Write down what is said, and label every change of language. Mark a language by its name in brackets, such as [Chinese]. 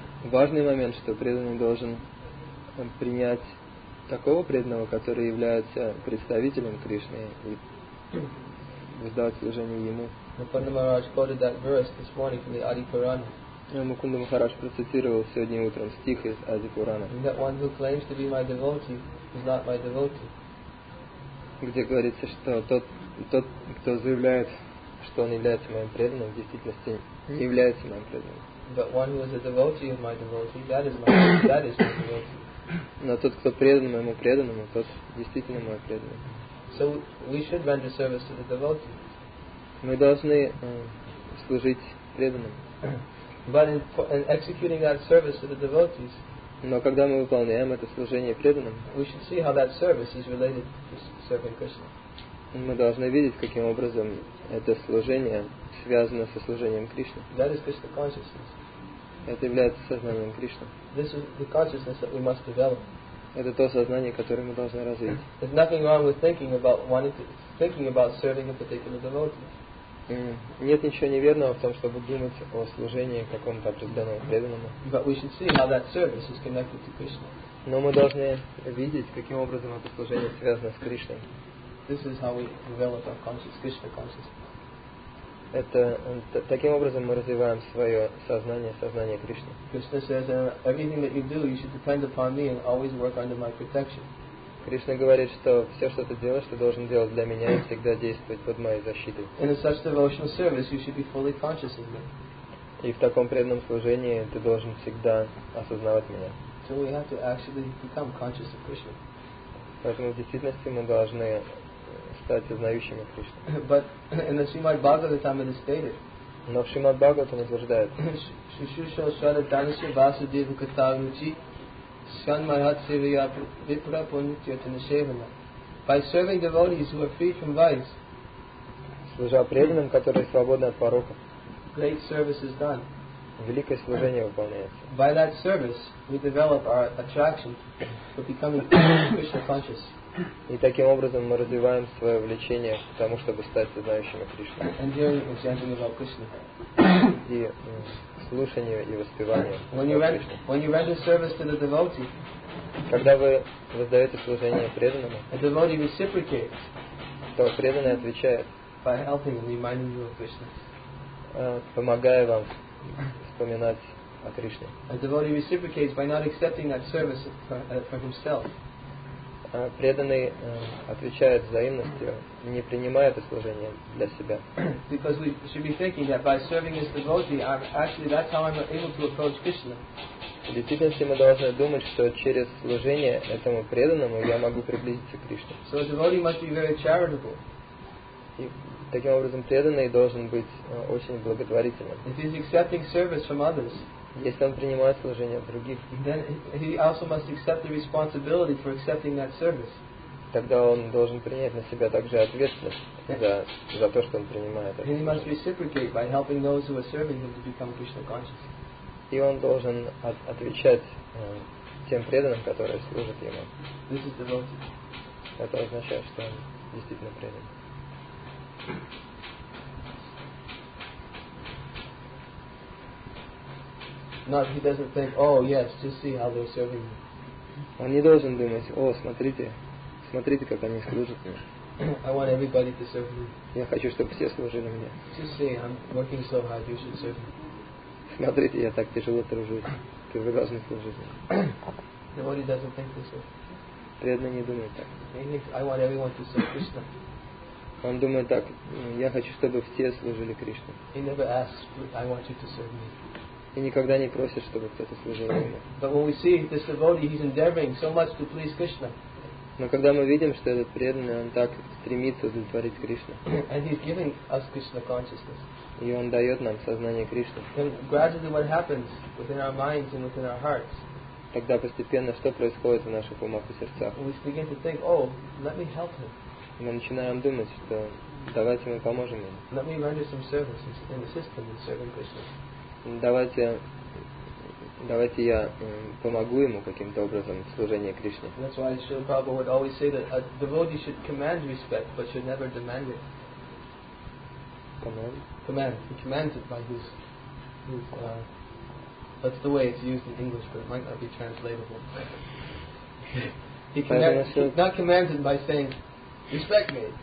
[Russian] Важный момент, что преданный должен принять такого преданного, который является представителем Кришны и воздать служение ему. [English] Mukunda Maharaj quoted that verse this morning from the Adi Purana. [Russian] Mukunda Maharaj процитировал сегодня утром стих из Адди Пурана. [English] That one who claims to be my devotee is not my devotee. [Russian] Где говорится, что тот, кто заявляет, что он является моим преданным, в действительности не является моим преданным. [English] But one who is a devotee of my devotee, that is my devotee. [Russian] Но тот, кто предан моему преданному, тот действительно мой преданный. [English] So we should render service to the devotee. [Russian] Мы должны служить преданным. [English] But in executing that service to the devotees, [Russian] но когда мы выполняем это служение преданным, [English] we should see how that service is related to serving Krishna. [Russian] Мы должны видеть, каким образом это служение связано со служением Кришны. [English] That is Krishna consciousness. [Russian] Это является сознанием Кришны. [English] This is the consciousness that we must develop. [Russian] Это то сознание, которое мы должны развить. [English] There's nothing wrong with thinking about serving a particular devotee. [Russian] Нет ничего неверного в том, чтобы думать о служении какому-то определенному преданному. [English] But we should see how that service is connected to Krishna. [Russian] Но мы должны видеть, каким образом это служение связано с Кришной. [English] This is how we develop our conscious Krishna consciousness. [Russian] Это таким образом мы развиваем свое сознание, сознание Кришны. [English] Krishna says, everything that you do, you should depend upon me and always work under my protection. [Russian] Кришна говорит, что все, что ты делаешь, ты должен делать для меня и всегда действовать под моей защитой. [English] In such devotional service, you should be fully conscious of me. [Russian] И в таком преданном служении ты должен всегда осознавать меня. [English] So we have to actually become conscious of Krishna. [Russian] Поэтому в действительности мы должны стать узнающими Кришну. [English] But in the Srimad Bhagavatam it is stated. [Russian] Но в Шримад Бхагаватам утверждается. Шишушал Шара Данаши Васудева Катаручи Шан Марат Сивия Випра Пунитьотана Шевана. [English] By serving devotees who are free from vice. [Russian] Служа преданным, которые свободны от пороков. [English] Great service is done. [Russian] Великое служение выполняется. [English] By that service we develop our attraction for becoming Krishna conscious. [Russian] И таким образом мы развиваем свое влечение к тому, чтобы стать сознающими Кришну. [English] And hearing and chanting about Krishna. [Russian] И слушанию и воспеванию. [English] When you render service to the devotee, [Russian] когда вы воздаете служение преданному, [English] a devotee reciprocates, [Russian] то преданный отвечает, [English] by helping and reminding you of Krishna. [Russian] Помогая вам вспоминать о Кришне. [English] A devotee reciprocates by not accepting that service for himself. [Russian] Преданный отвечает взаимностью, не принимая это служение для себя. [English] Because we should be thinking that by serving as devotee, actually that's how I'm able to approach Krishna. [Russian] В действительности мы должны думать, что через служение этому преданному я могу приблизиться к Кришне. [English] So a devotee must be very charitable. [Russian] И таким образом преданный должен быть очень благотворительным. [English] If he's accepting service from others, [Russian] если он принимает служение от других, [English] then he also must accept the responsibility for accepting that service. [Russian] Тогда он должен принять на себя также ответственность за то, что он принимает. [English] And he must reciprocate by helping those who are serving him to become Krishna conscious. [Russian] И он должен отвечать тем преданным, которые служат ему. [English] This is devotee. [Russian] Это означает, что он действительно предан. [English] Not he doesn't think, oh yes, just see how they're serving me. [Russian] Он не должен думать, о, смотрите, смотрите, как они служат мне. [English] I want everybody to serve me. [Russian] Я хочу, чтобы все служили мне. [English] Just see, I'm working so hard, you should serve me. [Russian] Смотрите, я так тяжело тружусь, ты вы должны служить мне. [English] Nobody doesn't think this. [Russian] Преданный не думает так. [English] He thinks, I want everyone to serve Krishna. [Russian] Он думает так, я хочу, чтобы все служили Кришне. [English] He never asks, I want you to serve me. [Russian] И никогда не просит, чтобы кто-то служил ему. [English] But when we see this devotee, he's endeavoring so much to please Krishna. [Russian] Но когда мы видим, что этот преданный, он так стремится удовлетворить Кришну. [English] And he's giving us Krishna consciousness. [Russian] И он дает нам сознание Кришны. [English] Then gradually what happens within our minds and within our hearts? [Russian] Тогда постепенно что происходит в наших умах и сердцах? [English] We begin to think, oh, let me help him. [Russian] Мы начинаем думать, что давайте мы поможем ему. [English] Let me render some service and assist him in serving Krishna. [Russian] Давайте Давайте я помогу ему каким-то образом в служении Кришне. [English] That's why Srila Prabhupada would always say that a devotee should command respect, but should never demand it. Command? Command. He commands it by his... that's the way it's used in English, but it might not be translatable. He not commands it by saying, respect me.